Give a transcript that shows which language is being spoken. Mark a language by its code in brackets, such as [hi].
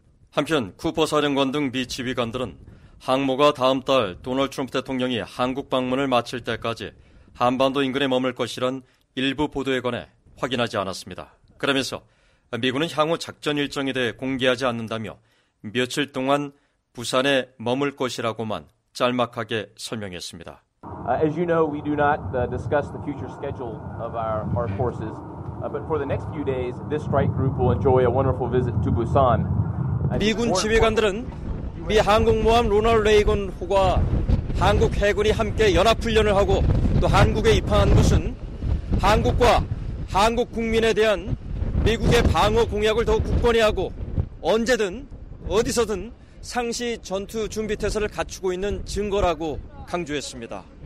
[ko] 한편 쿠퍼 사령관 등 미 지휘관들은 항모가 다음 달 도널드 트럼프 대통령이 한국 방문을 마칠 때까지 한반도 인근에 머물 것이란 일부 보도에 관해 확인하지 않았습니다. 그러면서 미군은 향후 작전 일정에 대해 공개하지 않는다며 며칠 동안 부산에 머물 것이라고만 짤막하게 설명했습니다. [en] As you know, we do not discuss the future schedule of our forces. But for the next few days, this strike group will enjoy a wonderful visit to Busan. [ko] 미군 지휘관들은 미 항공모함 로널 레이건 호가 한국 해군이 함께 연합훈련을 하고 또 한국에 입항한 것은 한국과 한국 국민에 대한 미국의 방어 공약을 더욱 굳건히 하고 언제든 어디서든 상시 전투 준비태세를 갖추고 있는 증거라고 강조했습니다.